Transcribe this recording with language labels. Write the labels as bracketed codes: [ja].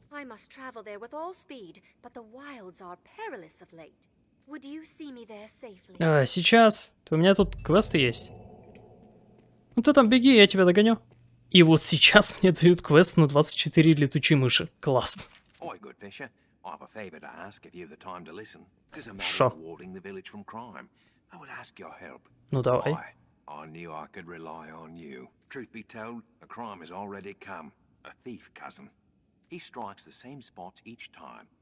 [en] I must travel there with all speed, but the wilds are perilous of late. Would you see me there safely? [ru] А, сейчас. У меня тут квесты есть. Ну ты там беги, я тебя догоню. И вот сейчас мне дают квест на 24 летучие мыши. Класс. [en] Ой, good fisher. I have a favor to ask if you have the time to listen. Does a matter of warding the village from crime. I would ask your help. [ru] Ну давай. [en] I knew I could rely on you. Truth be told, a crime has already come. A thief, cousin. He strikes the same spots each time.